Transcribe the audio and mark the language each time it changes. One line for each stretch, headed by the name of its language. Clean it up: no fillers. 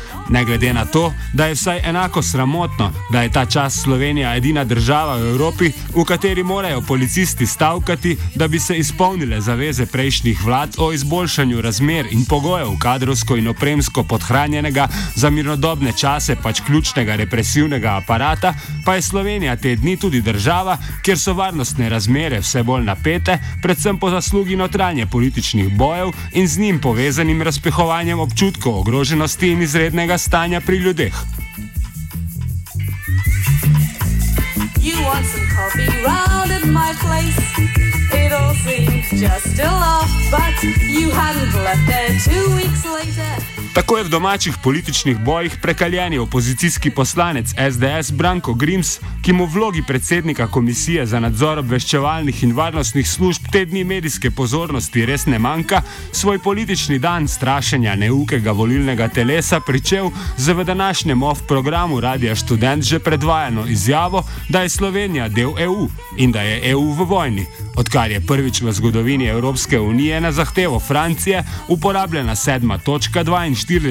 Slovenian: Ne glede na to, da je vsaj enako sramotno, da je ta čas Slovenija edina država v Evropi, v kateri morajo policisti stavkati, da bi se izpolnile zaveze prejšnjih vlad o izboljšanju razmer in pogojev kadrovsko in opremsko podhranjenega za mirnodobne čase pač ključnega represivnega aparata, pa je Slovenija te dni tudi država, kjer so varnostne razmere vse bolj napete, predvsem po zaslugi notranje političnih bojev in z njim povezanim razpihovanjem občutkov ogroženosti in izredne stanja pri ljudeh.
English: You want some coffee round at my place? It all seems just a laugh, but you hadn't left there 2 weeks later.
Slovenian: Tako je v domačih političnih bojih prekaljeni opozicijski poslanec SDS Branko Grims, ki mu v vlogi predsednika Komisije za nadzor obveščevalnih in varnostnih služb te dni medijske pozornosti res ne manjka, svoj politični dan strašenja neukega volilnega telesa pričel z v današnjem OF programu Radija Študent že predvajano izjavo, da je Slovenija del EU in da je EU v vojni, odkar je prvič v zgodovini Evropske unije na zahtevo Francije uporabljena 7.42.